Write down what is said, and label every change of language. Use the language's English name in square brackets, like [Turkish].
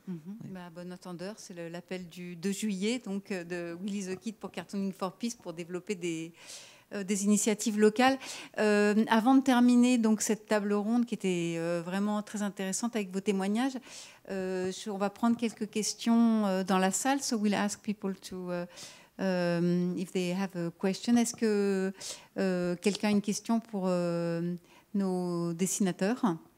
[French] Mm-hmm. Oui. Bah, bon entendeur, c'est l'appel du 2 juillet donc, de Willy the Kid pour Cartooning for Peace, pour développer des initiatives locales. Avant de terminer donc, cette table ronde qui était vraiment très intéressante avec vos témoignages, on va prendre quelques questions dans la salle. [English] So we'll ask people to if they have a question. [French] Est-ce que quelqu'un a une question pour nos dessinateurs?